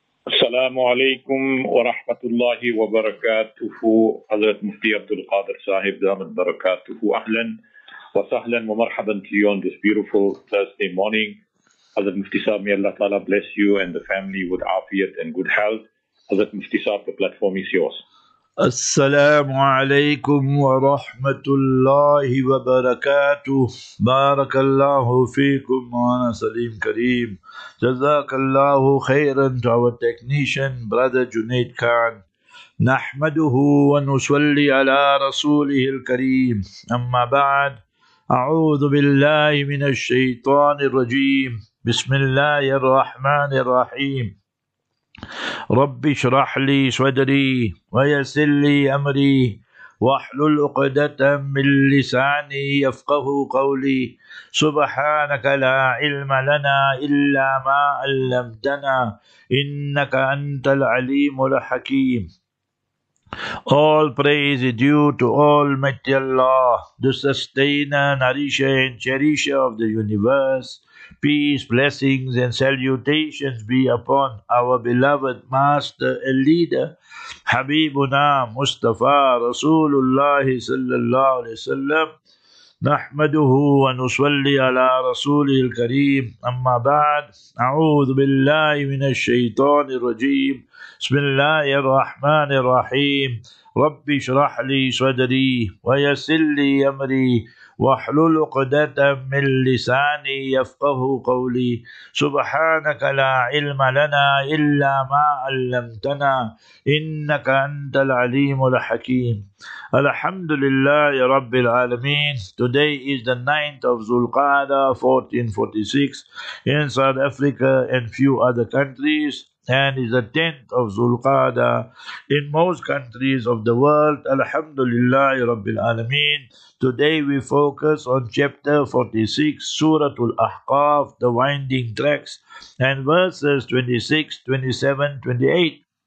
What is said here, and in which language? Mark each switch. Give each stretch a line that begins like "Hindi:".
Arabic: السلام عليكم ورحمة الله وبركاته. حضرت مفتي عبد القادر صاحب دامت بركاته، أهلا وسهلا ومرحبا
English: to you on this beautiful Thursday morning.
Arabic: حضرت مفتي صاحب،
English: may Allah Ta'ala bless you and the family with afiyat and good health.
Arabic: حضرت مفتي صاحب،
English: the platform is yours.
Arabic: السلام عليكم ورحمة الله وبركاته. بارك الله فيكم وأنا سليم كريم. جزاك الله خيرا
English: to our technician brother Junaid Khan.
Arabic: نحمده ونصلي على رسوله الكريم. أما بعد، أعوذ بالله من الشيطان الرجيم. بسم الله الرحمن الرحيم. رب اشرح لي صدري ويسر لي امري واحلل عقدة من لساني يفقه قولي سبحانك لا علم لنا الا ما علمتنا انك انت العليم الحكيم.
English: All praise is due to Almighty Allah, the sustainer, nourisher and cherisher of the universe. Peace, blessings and salutations be upon our beloved master and leader, Habibuna Mustafa Rasulullah sallallahu alayhi wa sallam.
Arabic: Nahmaduhu wa nusalli ala rasulil kareem. Amma ba'd, a'udhu billahi minash shaitanir rajeem. Bismillahir rahmanir rahim. Rabbi shrah li sadri wa yassir li amri واحلل عقدة من لساني يفقه قولي سبحانك لا علم لنا إلا ما علمتنا إنك أنت العليم الحكيم. الحمد لله رب العالمين.
English: Today is the 9th of Zulqaada 1446 in South Africa and few other countries, and is the 10th of Zulqaada in most countries of the world.
Arabic: Alhamdulillahi Rabbil Alameen.
English: Today we focus on chapter 46, Suratul Ahqaf, the winding tracks, and verses 26, 27, 28.